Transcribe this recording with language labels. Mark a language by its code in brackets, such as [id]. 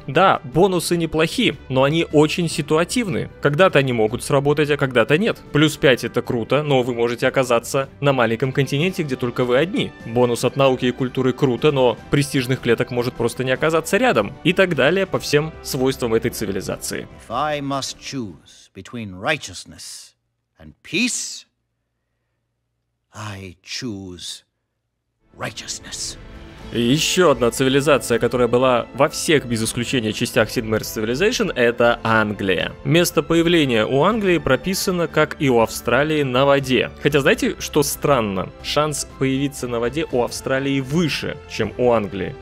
[ru] Да, бонусы неплохи, но они очень ситуативны. Когда-то они могут сработать, а когда-то нет. Плюс 5 это круто, но вы можете оказаться на маленьком континенте, где только вы одни. Бонус от науки и культуры круто, но престижных клеток может просто не оказаться рядом. И так далее по всем свойствам этой цивилизации. [en] If I must choose between righteousness and peace, I choose righteousness. [ru] Еще одна цивилизация, которая была во всех без исключения частях Sid Meier's Civilization, это Англия. Место появления у Англии прописано, как и у Австралии, на воде. Хотя знаете, что странно? Шанс появиться на воде у Австралии выше, чем у Англии.